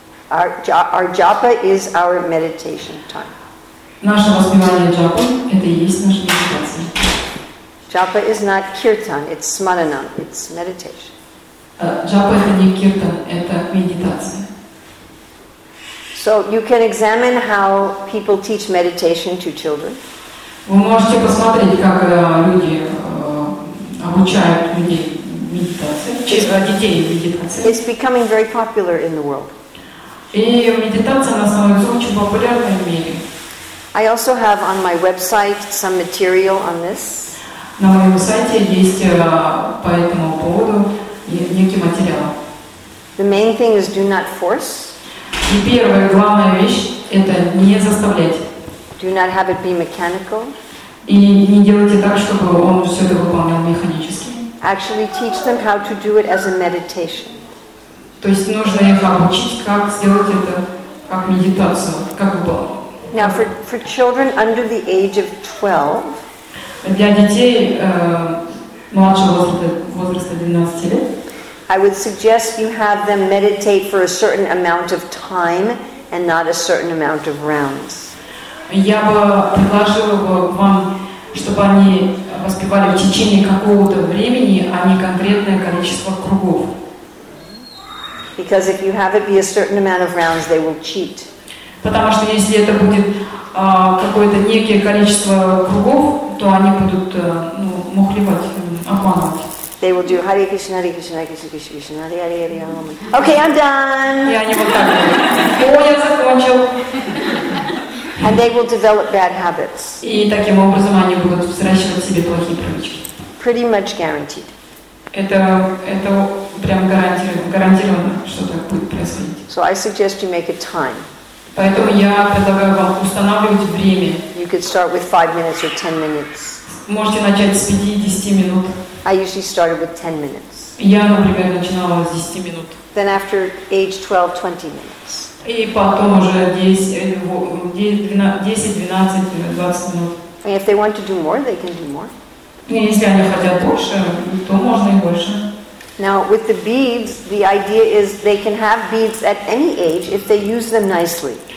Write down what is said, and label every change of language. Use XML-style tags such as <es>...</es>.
<en>Our japa is our meditation time.</en> <ru>Наше воспевание джапы – это и есть наша медитация.</ru> <en>Japa is not kirtan, it's smananam, it's meditation.</en> <ru>Japa – это не kirtan, это медитация.</ru> <en>So you can examine how people teach meditation to children.</en> <ru>Вы можете посмотреть, как люди обучают людей медитации, через детей медитации.</ru> <en>It's becoming very popular in the world.</en> <ru>И медитация на самом деле очень популярна в мире.</ru> <en>I also have on my website some material on this.</en> <ru>На моем сайте есть по этому поводу некий материал.</ru> <en>The main thing is do not force.</en> <ru>И первая главная вещь – это не заставлять.</ru> <en>Do not have it be mechanical.</en> <ru>И не делайте так, чтобы он все это выполнял механически.</ru> <en>Actually teach them how to do it as a meditation.</en> <ru>То есть нужно их обучить, как сделать это как медитацию, как было.</ru> <en>Now for children under the age of 12.</en> <ru>Для детей младшего возраста 12 лет.</ru> <en>I would suggest you have them meditate for a certain amount of time and not a certain amount of rounds.</en> <ru>Я бы предложила вам, чтобы они воспевали в течение какого-то времени, а не конкретное количество кругов.</ru> <en>Because if you have it be a certain amount of rounds, they will cheat.</en> <ru>Потому что если это будет какое-то некое количество кругов, то они будут мухлевать, обманывать.</ru> <en>They will do Hare Krishna, Hare Krishna, Hare Krishna, Krishna Krishna, Hare Hare, Hare Ram. Okay, I'm done.</en> <ru>Я не буду так. О, я закончил.</ru> <en>And they will develop bad habits.</en> <ru>И таким образом они будут взращивать себе плохие привычки.</ru> <en>Pretty much guaranteed.</en> <ru>Это прям гарантированно, что так будет происходить.</ru> <en>So I suggest you make a time.</en> <ru>Поэтому я предлагаю вам устанавливать время.</ru> <en>You could start with 5 minutes or 10 minutes.</en> <ru>Можете начать с 5-10 минут.</ru> <en>I usually started with 10 minutes.</en> <ru>Я, например, начинала с 10 минут.</ru> <en>Then after age 12, 20 minutes.</en> <ru>И потом уже 10, 12, 20 минут.</ru> <en>And if they want to do more, they can do more.</en> <ru>Если они хотят больше, то можно и больше.</ru> <en>Now, with the beads, the idea is they can have beads at any age if they use them nicely.</en>